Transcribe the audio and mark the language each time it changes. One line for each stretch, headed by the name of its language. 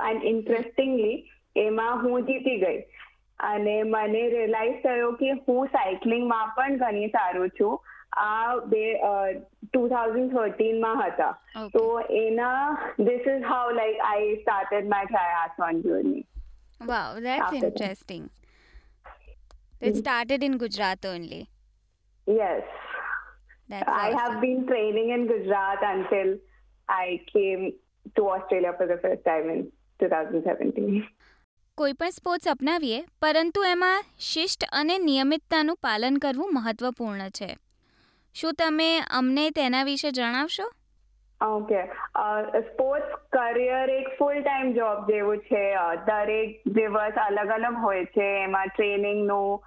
Gujarati: And interestingly એમાં હું જીતી ગઈ અને મને રિયલાઇઝ થયો કે હું સાયકલિંગમાં પણ ઘણી સારું છું. આ 2013માં હતા. તો એના
English: This is how like I started my triathlon journey. Wow, that's interesting. It started in Gujarat only. Yes. That's awesome. I have been training in Gujarat until I came to Australia for the first time in 2017.
Gujarati: કોઈ પણ sports અપનાવીએ પરંતુ એમાં શિસ્ત અને નિયમિતતાનું પાલન કરવું મહત્વપૂર્ણ છે. શું તમે અમને તેના વિશે જણાવશો? ઓકે, સ્પોર્ટ્સ કરિયર એક ફૂલ ટાઈમ જોબ જેવું છે. દરેક દિવસ અલગ અલગ હોય છે. એમાં ટ્રેનિંગનો,